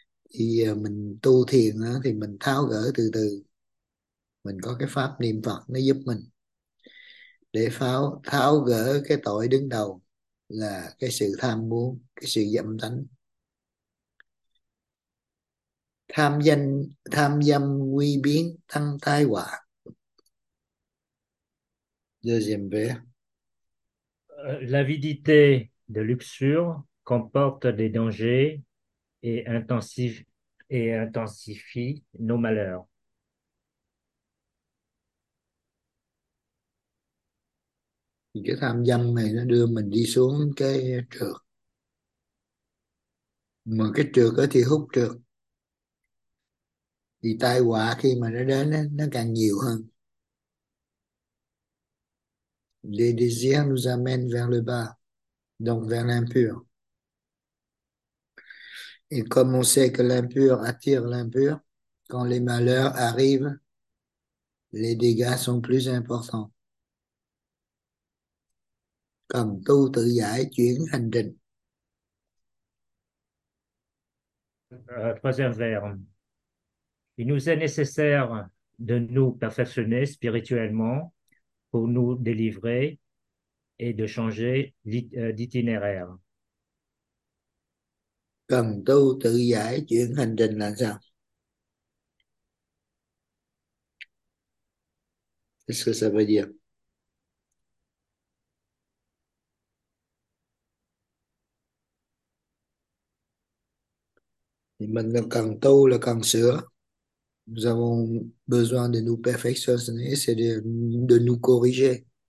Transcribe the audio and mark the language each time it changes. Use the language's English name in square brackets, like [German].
[Vietnamese] Thì giờ mình tu thiền đó, thì mình tháo gỡ từ từ, mình có cái pháp niệm Phật nó giúp mình để tháo gỡ cái tội đứng đầu là cái sự tham muốn, cái sự dâm tánh. Tham dâm nguy biến thân tai họa. [French] Deuxième vers. L'avidité de luxure comporte des dangers et intensifie nos malheurs. [Vietnamese] Thì cái tham dâm này nó đưa mình đi xuống cái trượt. Mà cái trượt đó thì hút trượt. Thì tai họa khi mà nó đến nó càng nhiều hơn. [French] Les désirs nous amènent vers le bas, donc vers l'impur. Et comme on sait que l'impur attire l'impur, quand les malheurs arrivent, les dégâts sont plus importants. [Vietnamese] Cần tu tự giải chuyển hành trình. [French] Troisième vers. Il nous est nécessaire de nous perfectionner spirituellement pour nous délivrer et de changer d'itinéraire. [Vietnamese] Cần tu tự giải chuyển hành trình là sao? [French] Qu'est-ce que ça veut dire? [Vietnamese] Mình cần tu là cần sửa. [French] Nous avons besoin de nous perfectionner, c'est de nous corriger.